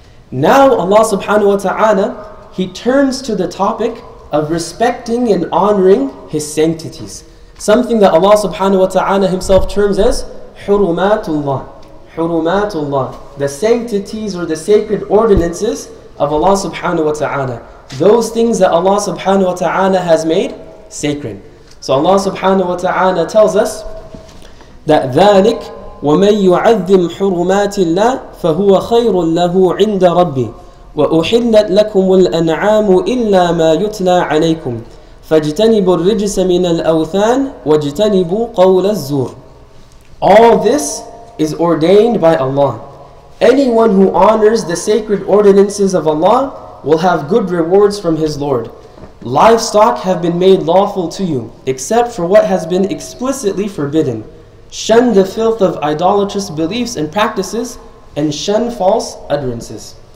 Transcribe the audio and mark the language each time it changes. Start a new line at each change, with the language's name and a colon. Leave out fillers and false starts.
English: Now Allah subhanahu wa ta'ala, He turns to the topic of respecting and honoring His sanctities. Something that Allah subhanahu wa ta'ala Himself terms as Hurumatullah. Hurumatullah. The sanctities or the sacred ordinances of Allah subhanahu wa ta'ala. Those things that Allah subhanahu wa ta'ala has made sacred. So Allah subhanahu wa ta'ala tells us that
Arabic: ذلك وَمَن يُعَذِّمْ حُرُمَاتِ اللَّهِ فَهُوَ خَيْرٌ لَهُ عِنْدَ رَبِّهِ وَأُحِلَّتْ لَكُمُ الْأَنْعَامُ إِلَّا مَا يُتْلَى عَلَيْكُمْ فَاجْتَنِبُوا الرِّجْسَ مِنَ الْأَوْثَانِ وَاجْتَنِبُوا قَوْلَ الزُّورِ.
English: All this is ordained by Allah. Anyone who honors the sacred ordinances of Allah will have good rewards from his Lord. Livestock have been made lawful to you, except for what has been explicitly forbidden. Shun the filth of idolatrous beliefs and practices, and shun false utterances.